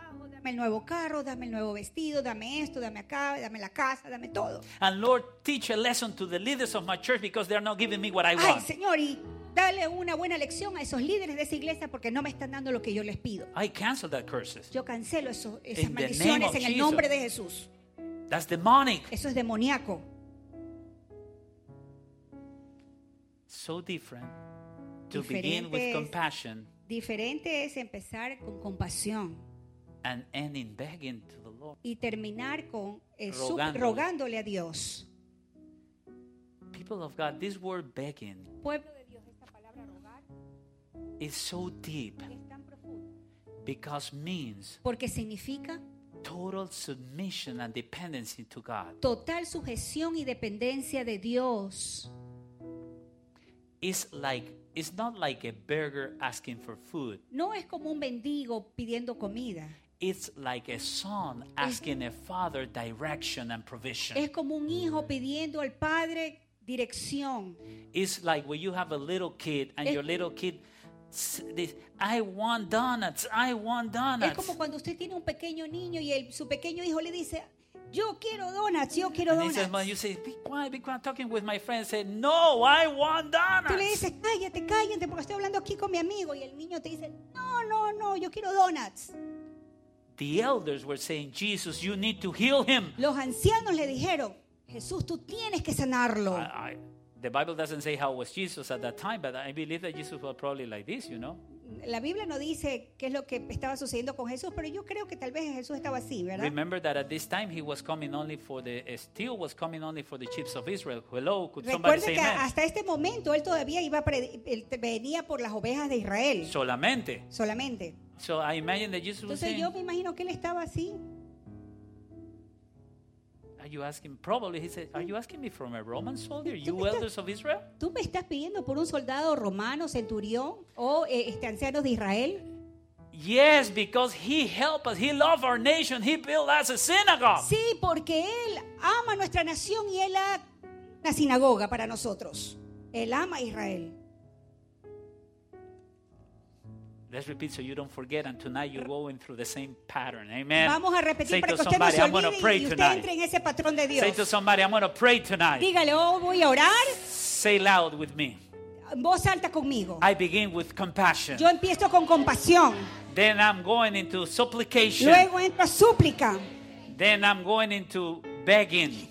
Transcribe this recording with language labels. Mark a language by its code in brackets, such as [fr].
[es] Dame el nuevo carro, dame el nuevo vestido, dame esto, dame acá, dame la casa, dame todo. [en] And Lord, teach a lesson to the leaders of my church because they're not giving me what I want. [es] Ay, Señor, y dale una buena lección a esos líderes de esa iglesia porque no me están dando lo que yo les pido. [en] I cancel that curses. [es] Yo cancelo eso, esas maldiciones en el nombre de Jesús. [en] That's demonic. [es] Eso es demoníaco. [en] So different to begin with compassion. [es] Diferente es empezar con compasión. [en] And ending begging to the Lord. [es] Y terminar con rogándole a Dios. [en] People of God, this word begging. [es] Pueblo de Dios, esta palabra rogar. [en] Is so deep. [es] Es tan profundo. [en] Because means. [es] Porque significa. [en] Total submission and dependency to God. [es] Total sujeción y dependencia de Dios. [en] It's like. It's not like a beggar asking for food. [es] No es como un mendigo pidiendo comida. [en] It's like a son asking a father direction and provision. [es] Es como un hijo pidiendo al padre dirección. [en] It's like when you have a little kid and your little kid says, I want donuts, I want donuts. [es] Es como cuando usted tiene un pequeño niño y su pequeño hijo le dice, yo quiero donuts, yo quiero donuts. [en] And he says, you say, be quiet, I'm talking with my friend. Say, no, I want donuts. [es] Tú le dices, cállate, cállate, porque estoy hablando aquí con mi amigo. Y el niño te dice, no, no, no, yo quiero donuts. [en] The elders were saying, Jesus, you need to heal him. [es] Los ancianos le dijeron, Jesús, tú tienes que sanarlo. [en] The Bible doesn't say how was Jesus at that time, but I believe that Jesus was probably like this, you know. [es] La Biblia no dice qué es lo que estaba sucediendo con Jesús, pero yo creo que tal vez Jesús estaba así, ¿verdad? [en] Remember that at this time he was coming only for the still was coming only for the chiefs of Israel. Hello, could somebody [es] Recuerde [en] say [es] que [en] amen? [es] Hasta este momento él todavía iba venía por las ovejas de Israel. Solamente. Solamente. [en] So I imagine that Jesus [es] Entonces [en] was saying, [es] yo me imagino que él estaba así. [en] Are you asking? Probably he said, "Are you asking me from a Roman soldier? You elders of Israel?" [es] ¿Tú me estás pidiendo por un soldado romano, centurión o ancianos de Israel? [en] Yes, because he helped us. He loved our nation. He built us a synagogue. [es] Sí, porque él ama nuestra nación y él ha una sinagoga para nosotros. Él ama a Israel. [en] Let's repeat so you don't forget, and tonight you're going through the same pattern. Amen. [es] Vamos a repetir para que usted [en] somebody, [es] no se olvide y usted entre en ese patrón de Dios. [en] Say to somebody, I'm going to pray tonight. [es] Dígale, oh, voy a orar. [en] Say loud with me. [es] Voz alta conmigo. [en] I begin with compassion. [es] Yo empiezo con compasión. [en] Then I'm going into supplication. [es] Luego entro a súplica. [en] Then I'm going into begging.